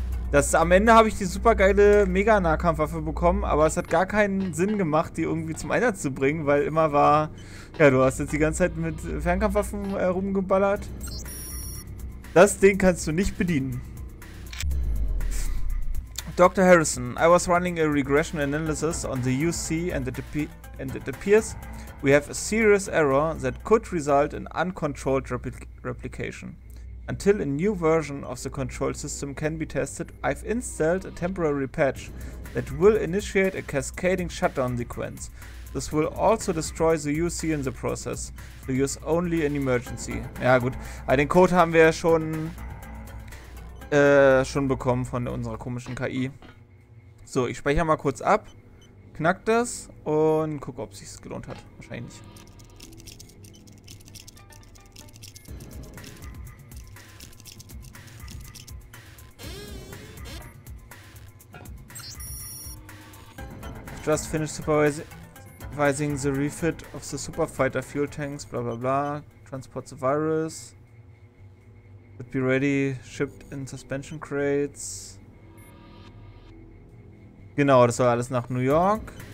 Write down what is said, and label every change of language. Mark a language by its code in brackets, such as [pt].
[de] Das, am Ende habe ich die supergeile Mega-Nahkampfwaffe bekommen, aber es hat gar keinen Sinn gemacht, die irgendwie zum Einsatz zu bringen, weil immer war, ja, du hast jetzt die ganze Zeit mit Fernkampfwaffen rumgeballert. Das Ding kannst du nicht bedienen. [en] Dr. Harrison, I was running a regression analysis on the UC and it appears we have a serious error that could result in uncontrolled replication. Until a new version of the control system can be tested, I've installed a temporary patch that will initiate a cascading shutdown sequence. This will also destroy the UC in the process. So use only in emergency. [de] Ja gut, aber den Code haben wir ja schon bekommen von unserer komischen KI. So, ich speichere mal kurz ab, knack das und gucke, ob es sich gelohnt hat. Wahrscheinlich nicht. [en] Just finished supervising the refit of the superfighter fuel tanks, bla bla bla. Transport the virus. Would be ready, shipped in suspension crates. [de] Genau, das soll alles nach New York.